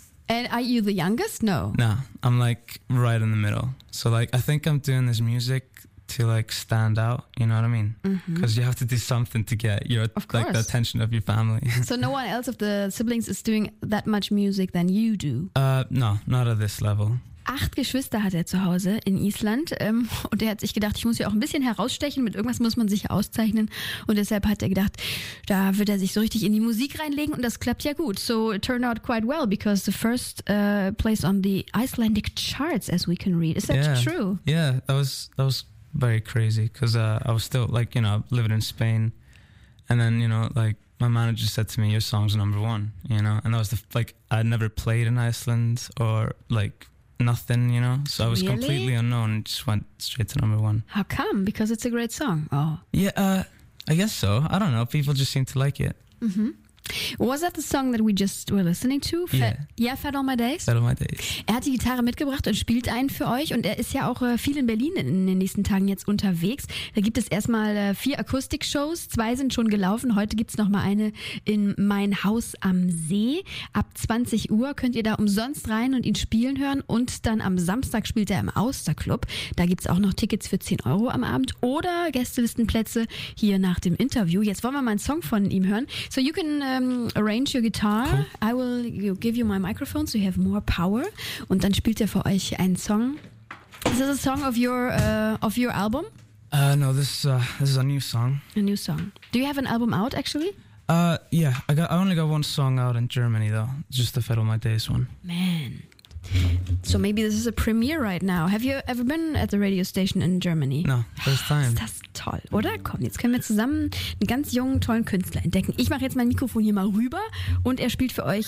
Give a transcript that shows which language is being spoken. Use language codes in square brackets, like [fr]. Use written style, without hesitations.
[en] And are you the youngest? No. Nah, I'm like right in the middle. So like, I think I'm doing this music to like stand out. You know what I mean? Because mm-hmm. you have to do something to get your like the attention of your family. So no one else of the siblings is doing that much music than you do. No, not at this level. [de] 8 Geschwister hat er zu Hause in Island und er hat sich gedacht, ich muss ja auch ein bisschen herausstechen, mit irgendwas muss man sich auszeichnen und deshalb hat er gedacht, da wird er sich so richtig in die Musik reinlegen und das klappt ja gut. [en] So it turned out quite well because the first place on the Icelandic charts as we can read. Is that true? Yeah, that was very crazy because I was still like, you know, living in Spain and then, you know, like my manager said to me, your song's number one, you know, and that was the, like, I'd never played in Iceland or like nothing, you know, so I was really completely unknown and just went straight to number one. How come? Because it's a great song. Oh yeah, I guess so. I don't know, people just seem to like it. Mm-hmm. Was that the song that we just were listening to? Fed All My Days. Fed All My Days. [de] Er hat die Gitarre mitgebracht und spielt einen für euch und er ist ja auch viel in Berlin in den nächsten Tagen jetzt unterwegs. Da gibt es erstmal 4 Akustik-Shows, 2 sind schon gelaufen, heute gibt's noch mal eine in Mein Haus am See. Ab 20 Uhr könnt ihr da umsonst rein und ihn spielen hören und dann am Samstag spielt er im Austerclub. Da gibt's auch noch Tickets für 10 Euro am Abend oder Gästelistenplätze hier nach dem Interview. Jetzt wollen wir mal einen Song von ihm hören. [en] So you can arrange your guitar. Cool. I will give you my microphone so you have more power. [de] Und dann spielt er für euch einen Song. [en] Is this a song of your album? No, this is a new song. A new song. Do you have an album out actually? I only got one song out in Germany though. Just the Fed All My Days one. Man. So maybe this is a premiere right now. Have you ever been at the radio station in Germany? No, first time. [de] Ist das toll, oder? Komm, jetzt können wir zusammen einen ganz jungen, tollen Künstler entdecken. Ich mache jetzt mein Mikrofon hier mal rüber und er spielt für euch.